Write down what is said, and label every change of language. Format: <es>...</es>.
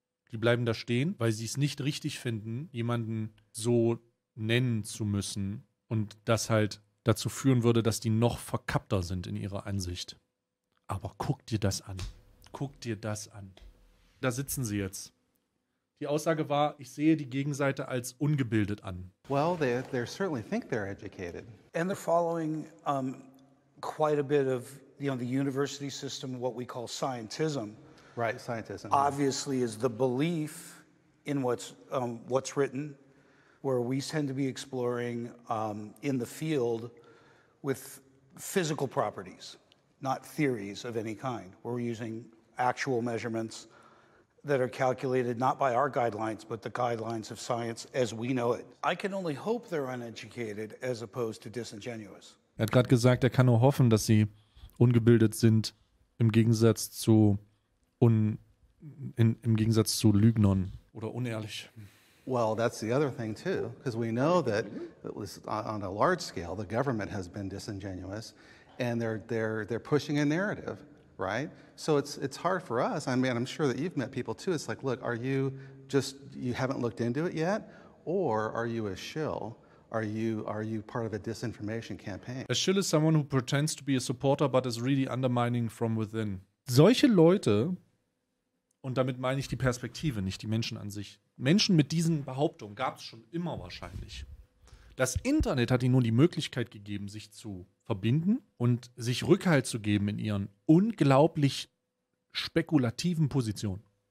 <de>Die bleiben da stehen, weil sie es nicht richtig finden, jemanden so nennen zu müssen und das halt dazu führen würde, dass die noch verkappter sind in ihrer Ansicht. Aber guck dir das an. Guck dir das an. Da sitzen sie jetzt. Die Aussage war, ich sehe die Gegenseite als ungebildet an.</de> <en>Well, they certainly think they're educated. And they're following quite a bit of, you know, the university system, what we call scientism. Right, scientism. Obviously is the belief in what's written, where we tend to be exploring in the field with physical properties, not theories of any kind. We're using actual measurements that are calculated not by our guidelines, but the guidelines of science as we know it. I can only hope they're uneducated as opposed to disingenuous.</en> <de>Er hat gerade gesagt, er kann nur hoffen, dass sie ungebildet sind im Gegensatz zu im Gegensatz zu Lügnern oder unehrlich.</de> <en>Well, that's the other thing too, because we know that it was on a large scale, the government has been disingenuous and they're pushing a narrative. Right? So it's hard for us. I mean, I'm sure that you've met people too. It's like, look, are you just, you haven't looked into it yet? Or are you a shill? Are you part of a disinformation campaign? A shill is someone who pretends to be a supporter, but is really undermining from within.</en> <de>Solche Leute, und damit meine ich die Perspektive, nicht die Menschen an sich, Menschen mit diesen Behauptungen gab es schon immer wahrscheinlich. Das Internet hat ihnen nun die Möglichkeit gegeben, sich zu verbinden und sich Rückhalt zu geben in ihren unglaublich spekulativen Positionen.</de>